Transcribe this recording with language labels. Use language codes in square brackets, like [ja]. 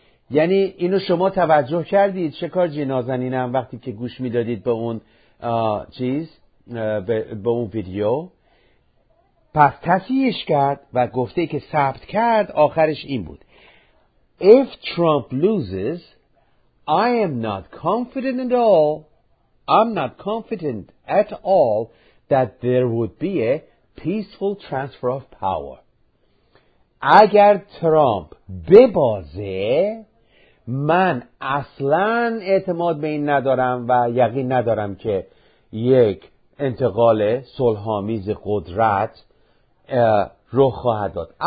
[fa] یعنی اینو شما توجه کردید شکار جنازنینم وقتی که گوش میدادید به اون چیز به اون ویدیو؟ پس تصحیحش کرد و گفته که ثبت کرد آخرش این بود: [en] If Trump loses I am not confident at all. I'm not confident at all that there would be a peaceful transfer of power. [fa] اگر ترامپ ببازه، من اصلاً اعتماد به این ندارم و یقین ندارم که یک انتقال صلح‌آمیز قدرت رخ خواهد داد.